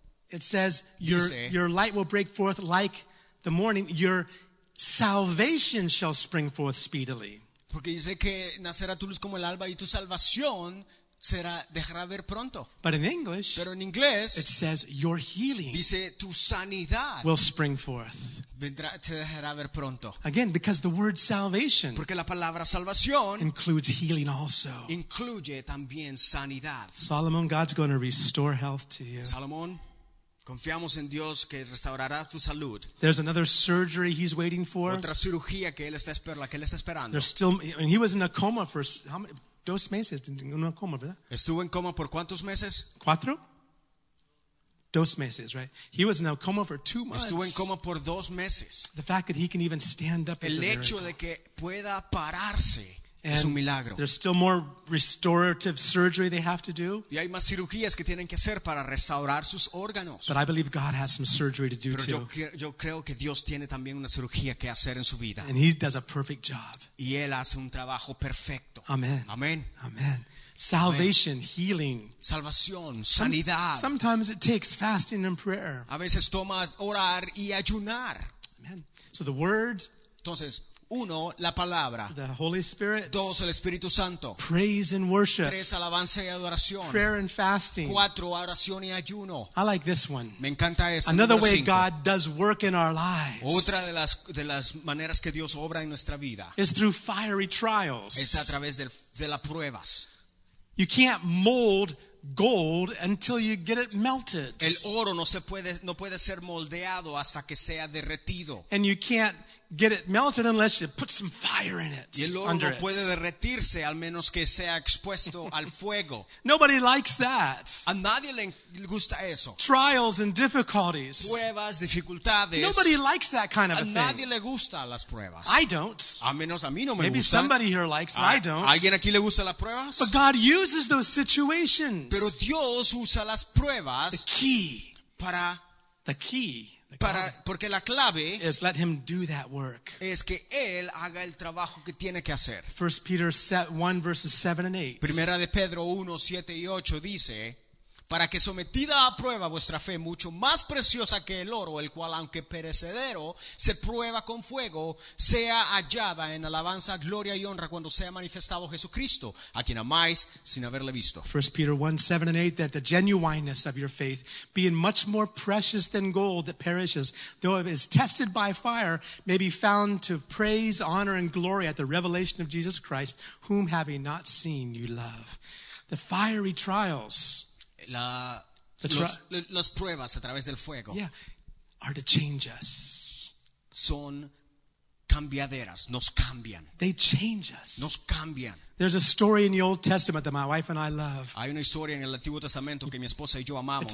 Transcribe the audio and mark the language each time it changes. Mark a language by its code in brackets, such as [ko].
[en] it says, your light will break forth like the morning, your salvation shall spring forth speedily. [es] Porque dice que nacerá tu luz como el alba, y tu salvación será, dejará ver pronto. [en] But in English, [es] pero en inglés, [en] it says your healing, [es] dice, tu sanidad [en] will spring forth, [es] vendrá, te dejará ver pronto. [en] Again, because the word salvation, [es] porque la palabra salvación [en] includes healing also, [es] incluye también sanidad. [en] Solomon, God's going to restore health to you. [es] Salomón, confiamos en Dios que restaurará tu salud. [en] There's another surgery he's waiting for. [es] Otra cirugía que él está esperando, que él está esperando. [en] There's still, and he was in a coma for how many? [es] Dos meses, una coma, ¿verdad? ¿Estuvo en coma por cuántos meses? ¿Cuatro? Dos meses, [en] right? He was in a coma for 2 months. [es] Estuvo en coma por 2 meses. [en] The fact that he can even stand up [es] el [en] is a miracle. [es] El hecho de que pueda pararse [en] and [es] es un milagro. [en] There's still more restorative surgery they have to do. [es] Y hay más cirugías que tienen que hacer para restaurar sus órganos. [en] But I believe God has some surgery to do [es] pero [en] too. [es] Yo creo que Dios tiene también una cirugía que hacer en su vida. [en] And he does a perfect job. [es] Y él hace un trabajo perfecto. [en] Amen. [es] Amen. [en] Amen. Salvation, amen. Healing. [es] Salvación, sanidad. [en] Sometimes it takes fasting and prayer. [es] A veces toma orar y ayunar. [en] Amen. So the word. [es] Entonces, uno, la palabra. [en] The Holy Spirit. [es] Dos, el Espíritu Santo. [en] Praise and worship. [es] Tres, alabanza y adoración. [en] Prayer and fasting. [es] Cuatro, oración y ayuno. [en] I like this one. [es] Me encanta esta. [en] Another way [es] cinco. [en] God does work in our lives. [es] Otra de las maneras que Dios obra en nuestra vida. [en] Is through fiery trials. [es] Es a través de las pruebas. [en] You can't mold gold until you get it melted. [es] El oro no puede ser moldeado hasta que sea derretido. [en] And you can't get it melted unless you put some fire in it. [es] Y el oro no puede derretirse al menos que sea expuesto al fuego. [en] Nobody likes that. [es] A nadie le gusta eso. [en] Trials and difficulties. [es] Pruebas, dificultades. [en] Nobody likes that kind of a thing. [es] A nadie le gusta las pruebas. [en] I don't. [es] A menos a mí no me gusta. [en] Maybe somebody here likes it. I don't. [es] ¿Alguien aquí le gusta las pruebas? [en] But God uses those situations. [es] Pero Dios usa las pruebas. [en] The key. [es] Para. [en] The key. [es] Para, porque la clave [en] is let him do that work. [es] Es que él haga el trabajo que tiene que hacer. [en] 1 Peter 1 verses 7 and 8. [es] Primera de Pedro 1, 7 y 8 dice, para que sometida a prueba vuestra fe, mucho más preciosa que el oro, el cual aunque perecedero se prueba con fuego, sea hallada en alabanza, gloria y honra cuando sea manifestado Jesucristo, a quien amáis sin haberle visto. [en] 1 Peter 1, 7 and 8, that the genuineness of your faith, being much more precious than gold that perishes, though it is tested by fire, may be found to praise, honor and glory at the revelation of Jesus Christ, whom having not seen you love. The fiery trials. [es] Las pruebas a través del fuego. [en] Yeah. are to change us. [es] Son cambiaderas, nos cambian. [en] They change us. [es] Nos cambian. [en] There's a story in the Old Testament that my wife and I love. [es] Hay una historia en el Antiguo Testamento que mi esposa y yo amamos.